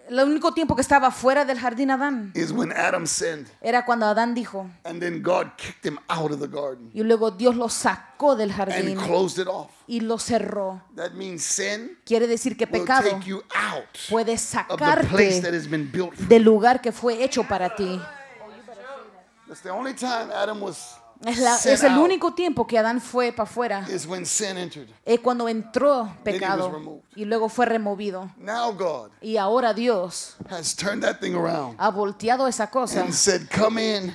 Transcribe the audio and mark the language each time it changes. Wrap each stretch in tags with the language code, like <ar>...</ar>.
<es>El único tiempo que estaba fuera del jardín Adán</es> <en>is when Adam sinned.</en> <es>Era cuando Adán dijo.</es> <en>And then God kicked him out of the garden.</en> <es>Y luego Dios lo sacó del jardín.</es> <en>And closed it off.</en> <es>Y lo cerró.</es> <en>That means sin.</en> <es>Quiere decir que pecado</es> <en>will take you out</en> <es>puede sacarte</es> <en>of the place that has been built for</en> <es>del lugar que fue hecho para ti.</es> <en>That's the only time Adam was</en> <es>es el único tiempo que Adán fue para afuera. Es cuando entró pecado y luego fue removido.</es> <en>Now God</en> <es>y ahora Dios</es> <en>has turned that thing around</en> <es>ha volteado esa cosa</es> <en>and said, come in</en>